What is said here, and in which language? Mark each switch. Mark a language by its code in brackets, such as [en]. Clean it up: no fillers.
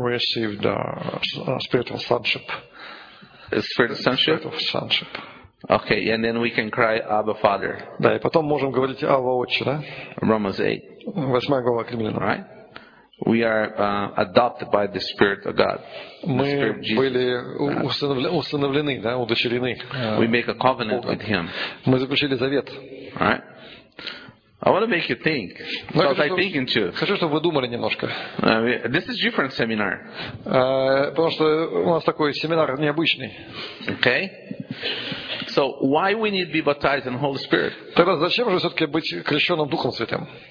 [en] receive the Spirit of Sonship. Spirit of Sonship. Spirit of Sonship. Okay, and then we can cry, Abba, Father. [ru] Да, и потом можем говорить Абба, Отче, да? [en] Romans 8. [ru] Восьмая глава к Римлянам. [en] Right? We are adopted by the Spirit of God. [ru] Мы были усыновлены, да, удочерены. [en] We make a covenant with Him. [ru] Мы заключили завет. [en] Right? I want to make you think. Because I'm thinking too. [ru] Хочу, чтобы вы думали немножко. [en] This is different seminar. [ru] Потому что у нас такой семинар необычный. [en] Okay. So why we need to be baptized in the Holy Spirit? [ru] Тогда зачем же все-таки быть крещенным Духом Святым?